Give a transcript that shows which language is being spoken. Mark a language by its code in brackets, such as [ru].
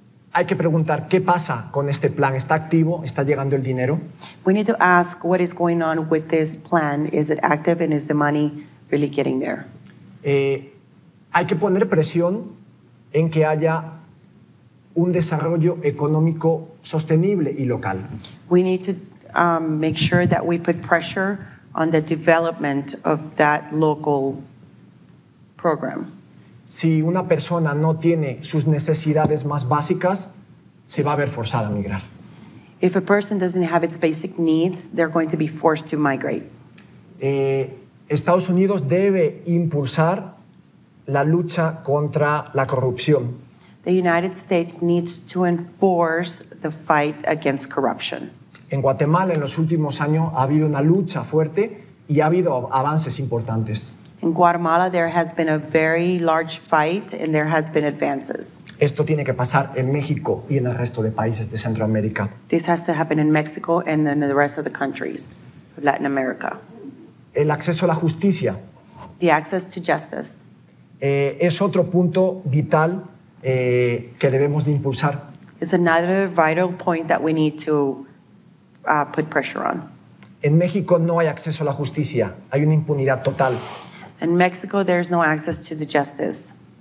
[es] Hay que preguntar qué pasa con este plan. ¿Está activo? ¿Está llegando el dinero? [en] We need to ask what is going on with this plan. Is it active and is the money really getting there? [es] Hay que poner presión en que haya un desarrollo económico sostenible y local. [en] We need to make sure that we put pressure on the development of that local program. [es] Si una persona no tiene sus necesidades más básicas, se va a ver forzada a migrar. [en] If a person doesn't have its basic needs, they're going to be forced to migrate. [es] Estados Unidos debe impulsar la lucha contra la corrupción. [en] The United States needs to enforce the fight against corruption. [es] En Guatemala, en los últimos años, ha habido una lucha fuerte y ha habido avances importantes. [en] In Guatemala, there has been a very large fight and there has been advances. [es] Esto tiene que pasar en México y en el resto de países de Centroamérica. [en] This has to happen in Mexico and in the rest of the countries of Latin America. [es] El acceso a la justicia. [en] The access to justice. [es] Es otro punto vital que debemos de impulsar. [en] It's another vital point that we need to put pressure on. [es] En México no hay acceso a la justicia. Hay una impunidad total. [en] In Mexico, there's no access to the justice.